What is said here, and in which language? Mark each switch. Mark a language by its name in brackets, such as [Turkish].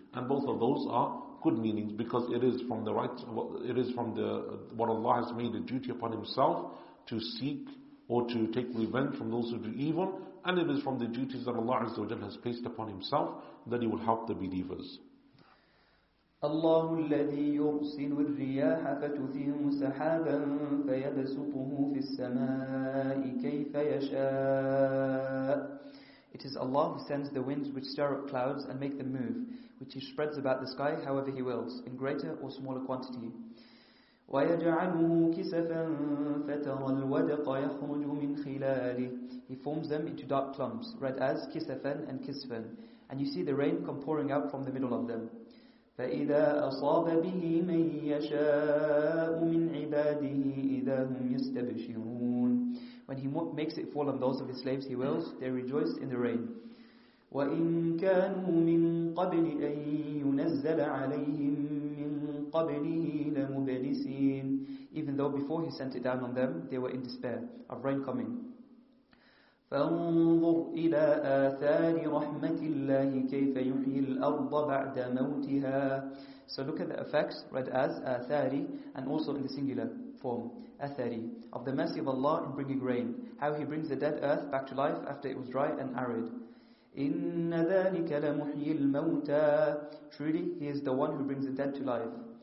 [English] And both of those are good meanings, because it is from the rights, it is from the what Allah has made a duty upon Himself to seek or to take revenge from those who do evil, and it is from the duties that Allah Azza wa Jalla has placed upon Himself that He will help the believers. [Arabic] الله الذي يرسل الرياح فتثير سحابا فيبسطه في السماء كيف يشاء. [English] It is Allah who sends the winds which stir up clouds and make them move, which He spreads about the sky however He wills, in greater or smaller quantity. [Arabic] ويجعله كسفا فترى الودق يخرج من خلاله. [English] He forms them into dark clumps, read as كسفا and كسفا, and you see the rain come pouring out from the middle of them. [Arabic] فإذا أصاب به من يشاء من عباده إذا هم يستبشرون. [English] When he makes it fall on those of his slaves, he wills, they rejoice in the rain. [Arabic] وإن كانوا من قبل أن ينزل عليهم من قبله لمبلسين. [English] Even though before he sent it down on them, they were in despair of rain coming. [Arabic] فانظر إلى آثار رحمة الله كيف يحيي الأرض بعد موتها. [English] So look at the effects, read as آثاري, and also in the singular form, آثاري, of the mercy of Allah in bringing rain, how He brings the dead earth back to life after it was dry and arid. [Arabic] إن ذلك لمحيي الموتى. [English] Truly, He is the one who brings the dead to life.